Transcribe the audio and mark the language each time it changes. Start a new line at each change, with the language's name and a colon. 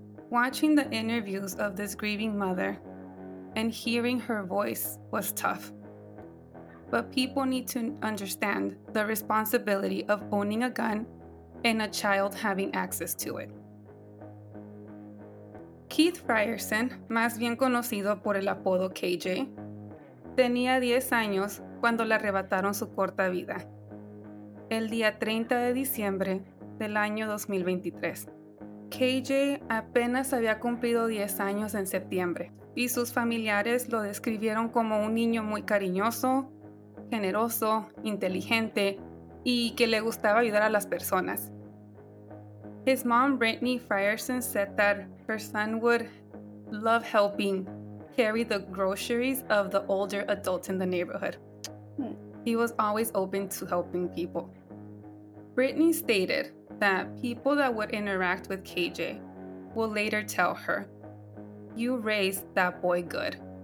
English: Watching the interviews of this grieving mother and hearing her voice was tough. But people need to understand the responsibility of owning a gun and a child having access to it.
Spanish: Keith Frierson, más bien conocido por el apodo KJ, tenía 10 años cuando le arrebataron su corta vida, el día 30 de diciembre del año 2023. KJ apenas había cumplido 10 años en septiembre y sus familiares lo describieron como un niño muy cariñoso, generoso, inteligente y que le gustaba ayudar a las personas.
English: His mom, Brittany Frierson, said that her son would love helping carry the groceries of the older adults in the neighborhood. He was always open to helping people. Brittany stated that people that would interact with KJ will later tell her, "You raised that boy good.